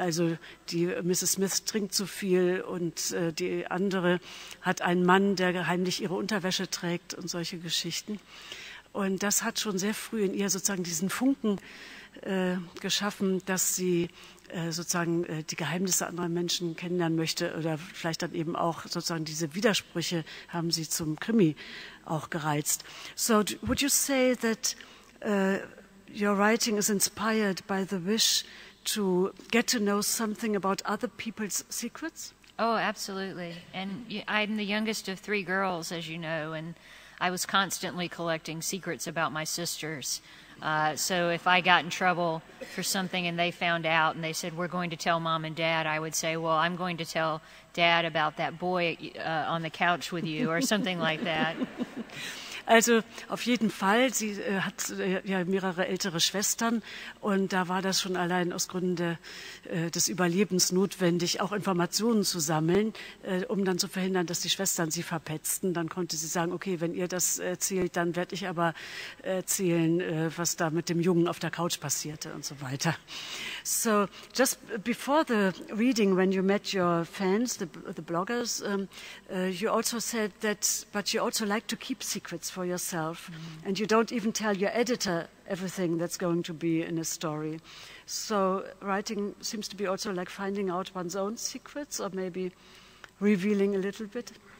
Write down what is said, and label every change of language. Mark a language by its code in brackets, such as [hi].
[de] Also die Mrs. Smith trinkt zu viel und die andere hat einen Mann, der heimlich ihre Unterwäsche trägt und solche Geschichten. Und das hat schon sehr früh in ihr sozusagen diesen Funken geschaffen, dass sie sozusagen die Geheimnisse anderer Menschen kennenlernen möchte oder vielleicht dann eben auch sozusagen diese Widersprüche haben sie zum Krimi auch gereizt. [en] So would you say that your writing is inspired by the wish to get to know something about other people's secrets? Oh, absolutely. And I'm the youngest of three girls, as you know, and I was constantly collecting secrets about my sisters. So if I got in trouble for something and they found out and they said, we're going to tell mom and dad, I would say, well, I'm going to tell dad about that boy on the couch with you or something like that. [de] Also auf jeden Fall, sie hat ja mehrere ältere Schwestern und da war das schon allein aus Gründen des Überlebens notwendig, auch Informationen zu sammeln, um dann zu verhindern, dass die Schwestern sie verpetzten. Dann konnte sie sagen, okay, wenn ihr das erzählt, dann werde ich aber erzählen, was da mit dem Jungen auf der Couch passierte und so weiter. [en] So, just before the reading, when you met your fans, the bloggers, you also said that, but you also like to keep secrets for yourself, mm-hmm. and you don't even tell your editor everything that's going to be in a story. So writing seems to be also like finding out one's own secrets or maybe revealing a little bit.